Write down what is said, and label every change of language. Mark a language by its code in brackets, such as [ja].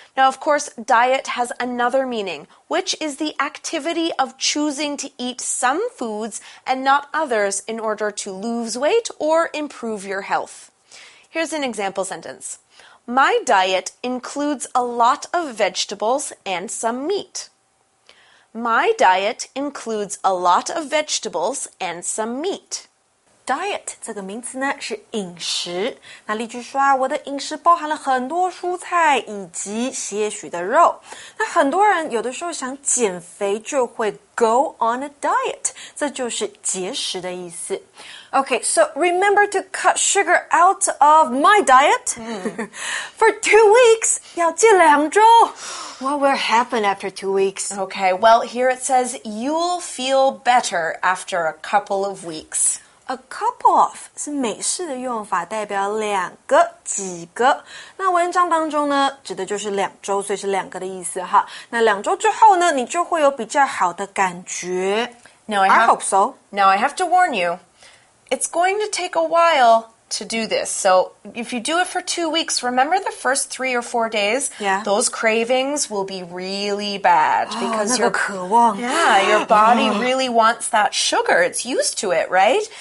[en] Now, of course, diet has another meaning, which is the activity of choosing to eat some foods and not others in order to lose weight or improve your health. Here's an example sentence. My diet includes a lot of vegetables and some meat. My diet includes a lot of vegetables and some meat. [zh] Diet 这个名词呢是饮食。那例句说啊，我的饮食包含了很多蔬菜以及些许的肉。那很多人有的时候想减肥就会 [en] go on a diet， [zh] 这就是节食的意思。 [en] Okay, so remember to cut sugar out of my diet for 2 weeks. [zh] 要戒两周。 [en] What will happen after 2 weeks? Okay, well, here it says you'll feel better after a couple of weeks. [zh] A couple of 是美式的用法，代表两个、几个。那文章当中呢，指的就是两周，所以是两个的意思哈。那两周之后呢，你就会有比较好的感觉。 [en] I hope so. Now I have to warn you, it's going to take a while to do this. So if you do it for 2 weeks, remember the first 3 or 4 days, yeah. Those cravings will be really bad. Oh, because your, [zh] 那个渴望。 [en] Yeah, your body really wants that sugar. It's used to it, right?